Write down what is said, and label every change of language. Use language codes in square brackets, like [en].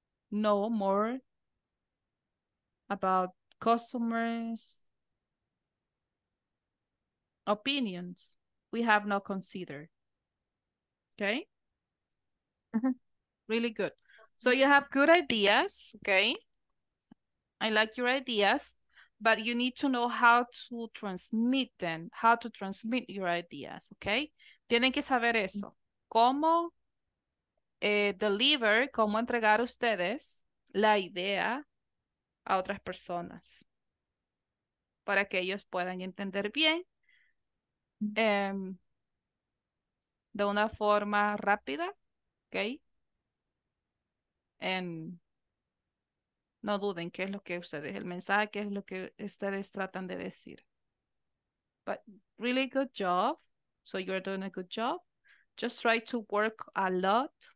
[en] know more about customers' opinions we have not considered. Okay? Really good. So you have good ideas, okay? I like your ideas, but you need to know how to transmit them, how to transmit your ideas, okay? [es] Tienen que saber eso. ¿Cómo? Deliver, cómo entregar ustedes la idea a otras personas para que ellos puedan entender bien de una forma rápida, okay, and no duden qué es lo que ustedes, el mensaje, qué es lo que ustedes tratan de decir. [en] But really good job, so you're doing a good job, just try to work a lot.